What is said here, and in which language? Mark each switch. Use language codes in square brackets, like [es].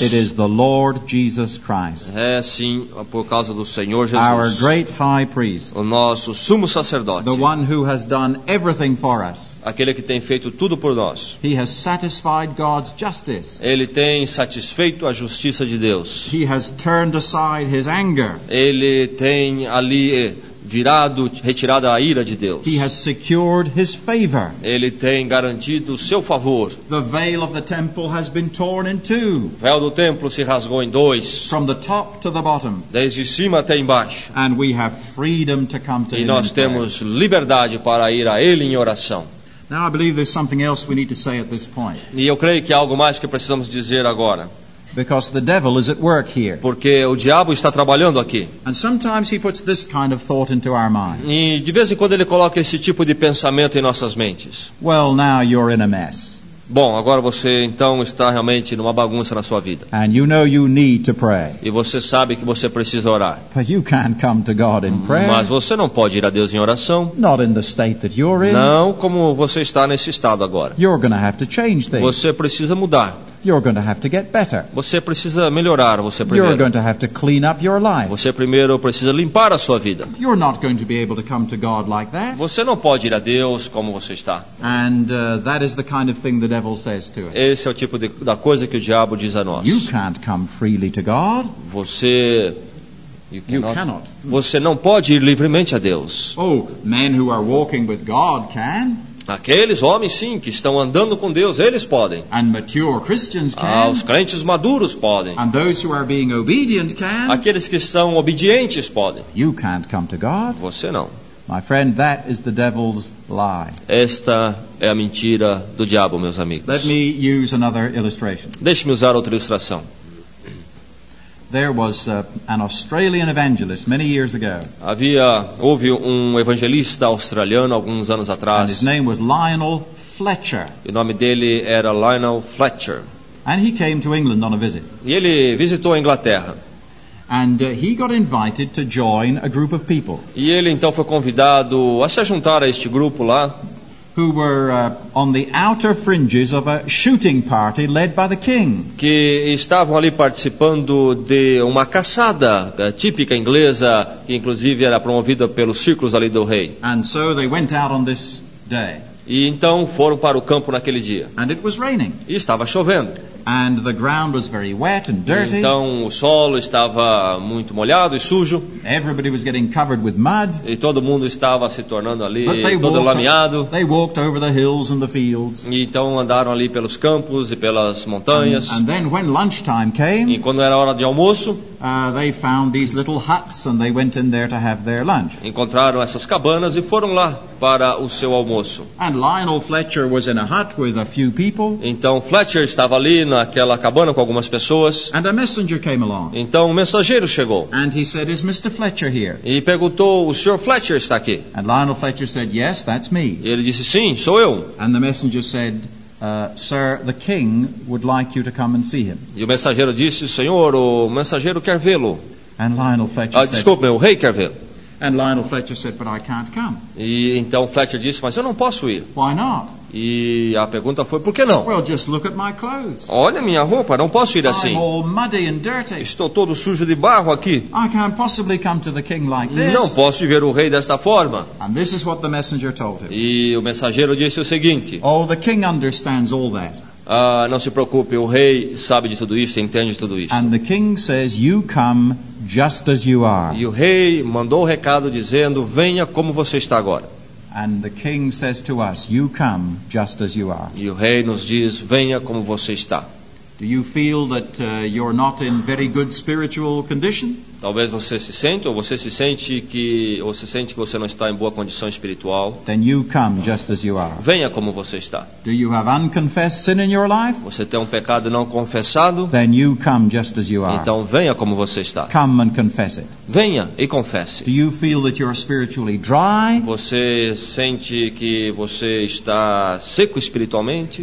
[en] It is the Lord Jesus Christ. [pt] É sim, por causa do Senhor Jesus. [en] Our great high priest, [pt] o nosso sumo sacerdote, [en] the one who has done everything for us, [pt] aquele que tem feito tudo por nós, [en] he has satisfied God's justice, [pt] ele tem satisfeito a justiça de Deus, [en] he has turned aside his anger, [pt] ele tem ali virado, retirado a ira de Deus. [en] He has secured his favor. [pt] Ele tem garantido o seu favor. [en] The veil of the temple has been torn in two. [pt] O véu do templo se rasgou em dois. [en] From the top to the bottom. [pt] Desde cima até embaixo. [en] And we have freedom to come to him. [pt] E nós temos liberdade para ir a ele em oração. [en] Now I believe there's something else we need to say at this point. [pt] E eu creio que há algo mais que precisamos dizer agora. [en] Because the devil is at work here. [pt] Porque o diabo está trabalhando aqui. [en] And sometimes he puts this kind of thought into our mind. [pt] E de vez em quando ele coloca esse tipo de pensamento em nossas mentes. [en] Well, now you're in a mess. [pt] Bom, agora você então está realmente numa bagunça na sua vida. [en] And you know you need to pray. [pt] E você sabe que você precisa orar. [en] But you can't come to God in prayer. [pt] Mas você não pode ir a Deus em oração. [en] Not in the state that you're in. [pt] Não como você está nesse estado agora. [en] You're gonna have to change things. [pt] Você precisa mudar. [en] You're going to have to get better. [pt] Você precisa melhorar, você primeiro. [en] You're going to have to clean up your life. [pt] Você primeiro precisa limpar a sua vida. [en] You're not going to be able to come to God like that. [pt] Você não pode ir a Deus como você está. [en] And that is the kind of thing the devil says to us. [pt] Esse é o tipo da coisa que o diabo diz a nós. [en] You can't come freely to God. [pt] Você [en] cannot. [pt] Você não pode ir livremente a Deus. [en] Oh, men who are walking with God can. [pt] Aqueles homens, sim, que estão andando com Deus, eles podem. [en] And mature Christians can. [pt] Ah, os crentes maduros podem. [en] And those who are being obedient can. [pt] Aqueles que são obedientes podem. [en] You can't come to God. [pt] Você não. [en] My friend, that is the devil's lie. [pt] Esta é a mentira do diabo, meus amigos. [en] Let me use another illustration. [pt] Deixe-me usar outra ilustração. [en] There was an Australian evangelist many years ago. [pt] Houve um evangelista australiano alguns anos atrás. [en] And his name was Lionel Fletcher. [pt] O nome dele era Lionel Fletcher. [en] And he came to England on a visit. [pt] E ele visitou a Inglaterra. [en] And he got invited to join a group of people. [pt] E ele então foi convidado a se juntar a este grupo lá. [en] Who were on the outer fringes of a shooting party led by the king. [pt] Que estavam ali participando de uma caçada típica inglesa que inclusive era promovida pelos círculos ali do rei. [en] And so they went out on this day. [pt] E então foram para o campo naquele dia. [en] And it was raining. [pt] E estava chovendo. [en] And the ground was very wet and dirty. [pt] Então o solo estava muito molhado e sujo. [en] Everybody was getting covered with mud. [pt] E todo mundo estava se tornando ali todo lameado. [en] They walked over the hills and the fields. [pt] E então andaram ali pelos campos e pelas montanhas. [en] And then when lunchtime came, [pt] e quando era hora de almoço, [en] they found these little huts and they went in there to have their lunch. [pt] Encontraram essas cabanas e foram lá para o seu almoço. [en] And Lionel Fletcher was in a hut with a few people. [pt] Então Fletcher estava ali naquela cabana com algumas pessoas. [en] And a messenger came along. [pt] Então um mensageiro chegou. [en] And he said, "Is Mr. Fletcher here?" [pt] E perguntou: "O Sr. Fletcher está aqui?" [en] And Lionel Fletcher said, "Yes, that's me." [pt] E ele disse: "Sim, sou eu." [en] And the messenger said, "Sir, the king would like you to come and see him." [pt] E o mensageiro disse: "Senhor, o mensageiro quer vê-lo." [en] And Lionel Fletcher said, [pt] "Desculpe, o rei quer vê-lo." [en] And Lionel Fletcher said, "But I can't come." [pt] E então Fletcher disse: "Mas eu não posso ir." [en] "Why not?" [pt] E a pergunta foi: "Por que não?" [en] "Well, just look at my clothes." [pt] "Olha minha roupa, não posso ir assim. [en] I'm all muddy and dirty. [pt] Estou todo sujo de barro aqui. [en] I can't possibly come to the king like this." [pt] "Não posso ir ver o rei desta forma." [en] And this is what the messenger told him. [pt] E o mensageiro disse o seguinte: [en] "Oh, the king understands all that." [pt] "Ah, não se preocupe, o rei sabe de tudo isso, entende de tudo isso." [en] And the king says, "You come just as you are." [pt] E o rei mandou o recado dizendo: "Venha como você está agora." [en] And the king says to us, "You come just as you are." [pt] E o rei nos diz: "Venha como você está." [en] Do you feel that you're not in very good spiritual condition? [pt] Talvez você se sente, ou você se sente que, ou se sente que você não está em boa condição espiritual. [en] Then you come just as you are. [pt] Venha como você está. [en] Do you have unconfessed sin in your life? [pt] Você tem um pecado não confessado? [en] Then you come just as you are. [pt] Então venha como você está. [en] Come and confess it. [pt] Venha e confesse. [en] Do you feel that you're spiritually dry? [pt] Você sente que você está seco espiritualmente?